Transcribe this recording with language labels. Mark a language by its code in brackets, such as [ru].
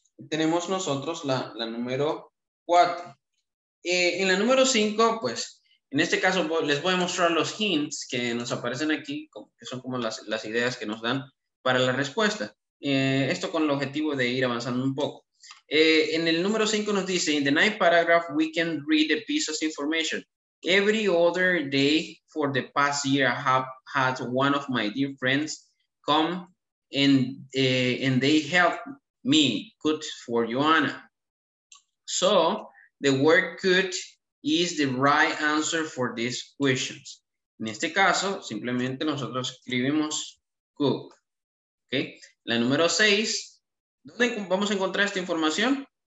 [es] Tenemos nosotros la número 4. En la número 5, pues, en este caso les voy a mostrar los hints que nos aparecen aquí, que son como las ideas que nos dan para la respuesta. Esto con el objetivo de ir avanzando un poco. En el número 5 nos dice, [en] in the ninth paragraph, we can read the piece of information. Every other day for the past year, I have had one of my dear friends come and they helped me cook for Joanna. So the word cook is the right answer for these questions. [es] En este caso, simplemente nosotros escribimos cook. Okay. La número 6, ¿dónde vamos a encontrar esta información?